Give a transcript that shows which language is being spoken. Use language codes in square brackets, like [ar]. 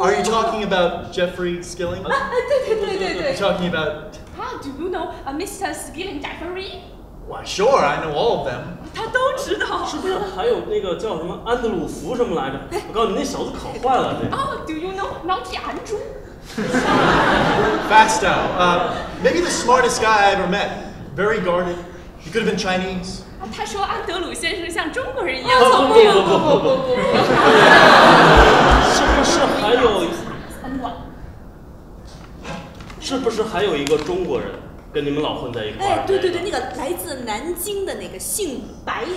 [en] Are you talking about Jeffrey Skilling? [zh] 对。 [en] You talking about? Do you know a Mr. Skilling Jeffrey? Why, sure, I know all of them. [zh] 他都知道。是不是还有那个叫什么安德鲁福什么来着？我告诉你，那小子可坏了。 [en] Do you know Naughty Andrew? Fasto, maybe the smartest guy I ever met. Very guarded. He could have been Chinese. [zh] 他说安德鲁先生像中国人一样聪明。不是不是还有？是不是还有一个中国人跟你们老混在一块儿？对，那个来自南京的那个姓白。